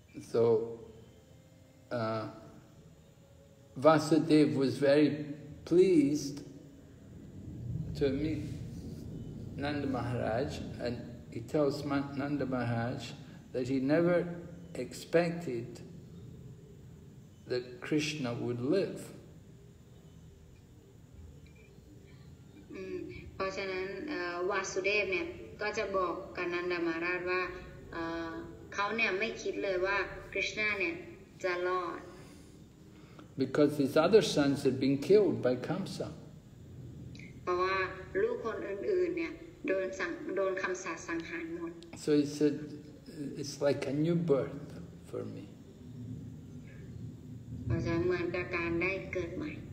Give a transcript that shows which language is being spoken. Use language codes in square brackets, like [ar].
[en] So Vasudeva was very pleased to meet Nanda Maharaj, and he tells Nanda Maharaj that he never expected that Krishna would live. [th] เพราะฉะนั้นวาสุเดฟเนี่ยก็จะบอกกับนันดามาราชว่าเขาเนี่ยไม่คิดเลยว่าคริชนาเนี่ยจะรอด [en] Because his other sons had been killed by Kamsa. [th] เพราะว่าลูกคนอื่นๆเนี่ยโดนคำสาปสังหารหมด [en] So he said, it's like a new birth for me. [th] เพราะฉะนั้นเหมือนกับการได้เกิดใหม่